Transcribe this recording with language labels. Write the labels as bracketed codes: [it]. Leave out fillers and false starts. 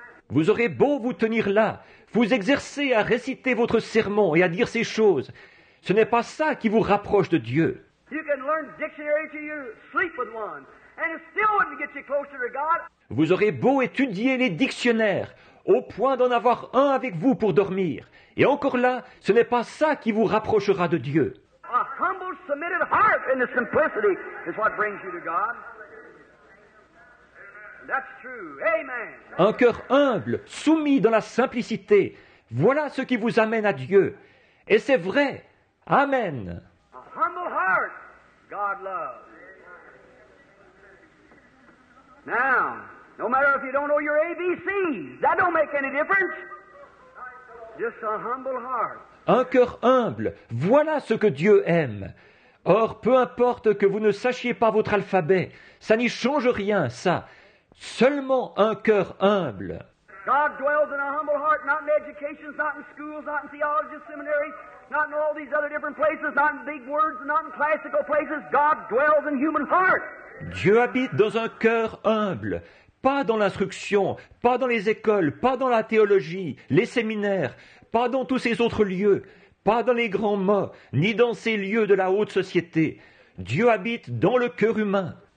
[fr] Vous aurez beau vous tenir là, vous exercer à réciter votre sermon et à dire ces choses. Ce n'est pas ça qui vous rapproche de Dieu. Vous pouvez apprendre un dictionnaire et vous dormir avec un. [en] And it still wouldn't get you closer to God. [fr] Vous aurez beau étudier les dictionnaires, au point d'en avoir un avec vous pour dormir. Et encore là, ce n'est pas ça qui vous rapprochera de Dieu. [en] A humble, submitted heart in the simplicity is what brings you to God. That's true. Amen. [fr] Un cœur humble, soumis dans la simplicité, voilà ce qui vous amène à Dieu. Et c'est vrai. Amen. [en] A humble heart, God loves. Now, no matter if you don't know your ABCs, that don't make any difference. Just a humble heart. [fr] Un cœur humble, voilà ce que Dieu aime. Or, peu importe que vous ne sachiez pas votre alphabet, ça n'y change rien, ça. Seulement un cœur humble. [en] God dwells in a humble heart, not in education, not in schools, not in theology seminaries, not in all these other different places, not in big words, not in classical places. God dwells in human heart. [fr] Dieu habite dans un cœur humble, pas dans l'instruction, pas dans les écoles, pas dans la théologie, les séminaires, pas dans tous ces autres lieux, pas dans les grands mots, ni dans ces lieux de la haute société. Dieu habite dans le cœur humain.